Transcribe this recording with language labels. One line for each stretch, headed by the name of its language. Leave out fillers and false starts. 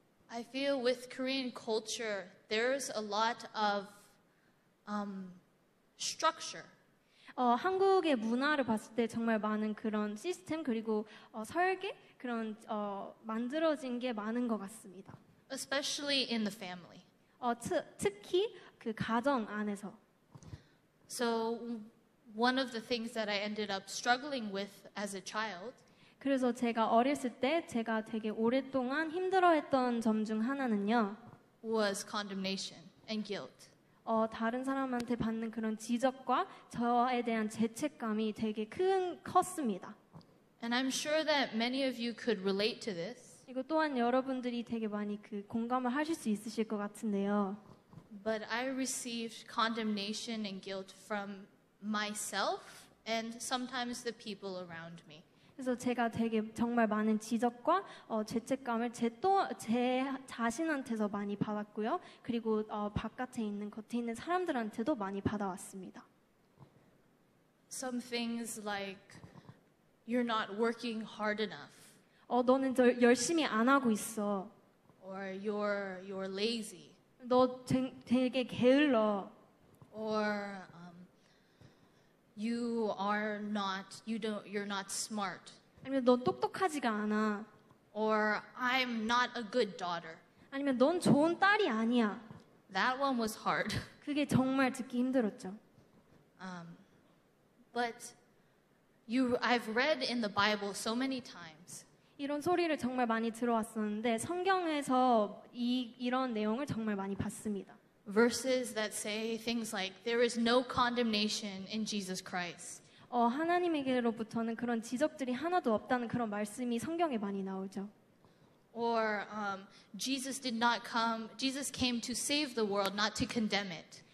English: I feel with Korean culture, there's a lot of structure.
Korean: 한국의 문화를 봤을 때 정말 많은 그런 시스템 그리고 설계 그런 만들어진 게 많은 것 같습니다.
English: Especially in the family.
Korean: 특히 그 가정 안에서.
English: So one of the things that I ended up struggling with as a child.
Korean: 그래서 제가 어렸을 때 제가 되게 오랫동안 힘들어했던 점 중 하나는요.
English: Was condemnation and guilt.
Korean: 다른 사람한테 받는 그런 지적과 저에 대한 죄책감이 되게 컸습니다.
English: And I'm sure that many of you could relate to this.
Korean: 이거 또한 여러분들이 되게 많이 그 공감을 하실 수 있으실 것 같은데요.
English: But I received condemnation and guilt from myself and sometimes the people around me.
Korean: 그래서 제가 되게 정말 많은 지적과 죄책감을 제 자신한테서 많이 받았고요. 그리고 바깥에 있는 겉에 있는 사람들한테도 많이 받아왔습니다.
English: Some things like you're not working hard enough.
Korean: 너는 열심히 안 하고 있어.
English: Or you're lazy.
Korean: 너 되게 게을러.
English: Or you are not you're not smart.
Korean: 아니면 넌 똑똑하지가 않아.
English: Or I'm not a good daughter.
Korean: 아니면 넌 좋은 딸이 아니야.
English: That one was hard.
Korean: 그게 정말 듣기 힘들었죠.
English: But I've read in the Bible so many times.
Korean: 이런 소리를 정말 많이 들어왔었는데 성경에서 이런 내용을 정말 많이 봤습니다.
English: Verses that say things like there is no condemnation in Jesus Christ.
Korean: 하나님에게로부터는 그런 지적들이 하나도 없다는 그런 말씀이 성경에 많이 나오죠.
English: Or Jesus did not come. Jesus came to save the world, not to condemn it.